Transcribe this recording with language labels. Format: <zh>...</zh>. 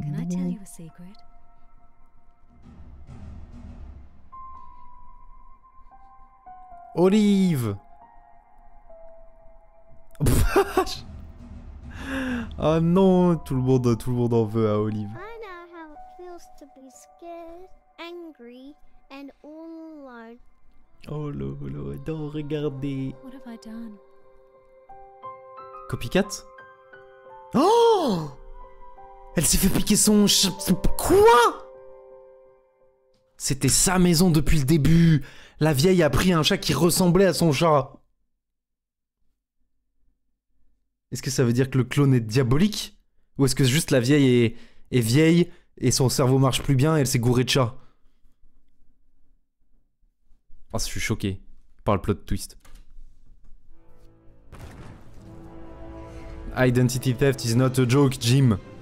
<en>Can I tell you a secret? Olive.</en> <fr>Oh non, tout le monde en veut à Olive.</fr> <en>I know how it feels to be scared, angry and all alone.</en> <fr>Oh lolo, attends, regardez.</fr> <en>What have I done? Copycat? Oh!</en> <fr>Elle s'est fait piquer son quoi? C'était sa maison depuis le début. La vieille a pris un chat qui ressemblait à son chat. Est-ce que ça veut dire que le clone est diabolique? Ou est-ce que juste la vieille est vieille et son cerveau marche plus bien et elle s'est gourée de chat? Oh, je suis choqué par le plot twist.</fr> <en>Identity theft is not a joke, Jim.</en>